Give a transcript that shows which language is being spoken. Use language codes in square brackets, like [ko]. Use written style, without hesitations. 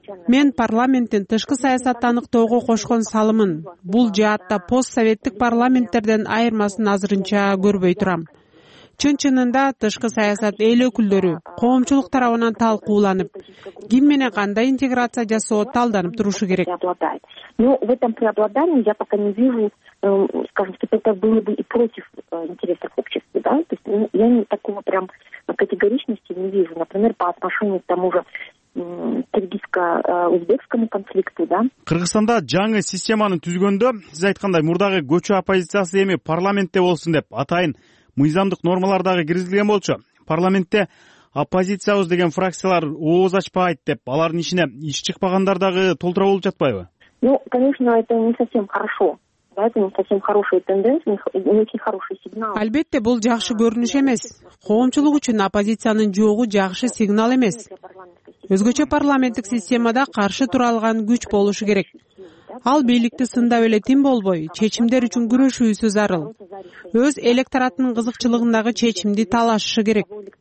[ky] Мен парламенттин тышкы саясатты аныктоого кошкон салымын бул жаатта постсоветтик парламенттерден айырмасын азырынча көрбөй турам. Чын-чынында тышкы саясат эл өкүлдөрү, коомчулук тарабынан талкууланып, ким менен кандай интеграция жасоо талданып турушу керек. [ru] Но в этом преобладании я пока не вижу, скажем, что это было бы и против интересов общества, да? То есть я не такого прям категоричности не вижу. Например, по отношению к тому же кыргызско-узбекскому конфликту, да? [ky] Кыргызстанда жаңы системанын түзгөндө, сиз айткандай, мурдагы көчө оппозициясы эми парламентте болсун деп атайын мыйзамдык нормалар дагы киргизилген болчу. Парламентте оппозициябыз деген фракциялар ооз ачпайт деп, алардын ишине иш чыкпагандар дагы толтура болуп жатпайбы? [ru] Ну, конечно, это не совсем хорошо. Да, это не совсем хорошая тенденция, не очень хороший сигнал. [ky] Албетте, бул жакшы көрүнүш эмес. Коомчулук үчүн оппозициянын жоогу жакшы сигнал эмес. Өзгөчө парламенттик системада каршы тура алган күч болушу керек. Ал бийликти сындап эле тим болбой, чечимдер үчүн күрөшүүсү зарыл. Өз электоратынын кызыкчылыгындагы чечимди талашышы керек.